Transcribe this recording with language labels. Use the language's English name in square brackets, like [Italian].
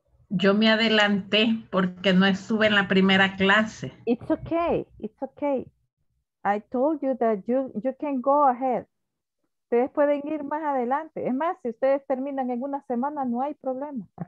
[Spanish] Yo me adelanté porque no estuve en la primera clase. [English] It's okay. It's okay. I told you that you can go ahead. [Spanish] Ustedes pueden ir más adelante. Es más, si ustedes terminan en una semana, no hay problema.